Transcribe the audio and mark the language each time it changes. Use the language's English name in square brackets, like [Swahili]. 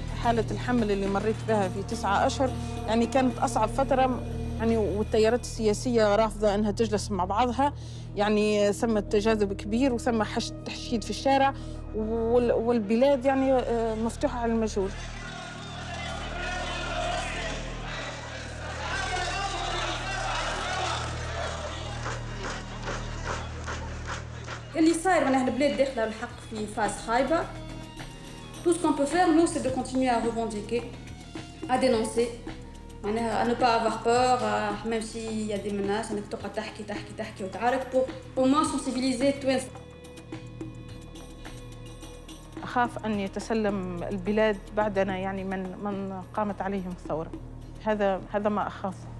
[Arabic] حاله الحمل اللي مريت بها في 9 اشهر يعني كانت اصعب فتره يعني، والتيارات السياسية رافضة أنها تجلس مع بعضها يعني، ثم تجاذب كبير وثم تحشيد في الشارع والبلاد يعني مفتوحة على المجهول. اللي صاير من أهل البلاد داخلة الحق في فاس خايبة، [French] tout ce qu'on peut faire, nous, c'est de continuer à revendiquer, à dénoncer, à ne pas avoir peur, même s'il y a des menaces, à ne pas parler, pour au moins sensibiliser tout ça. [Arabic] أخاف أن يتسلم البلاد بعدنا يعني من قامت عليهم الثورة هذا ما أخاف.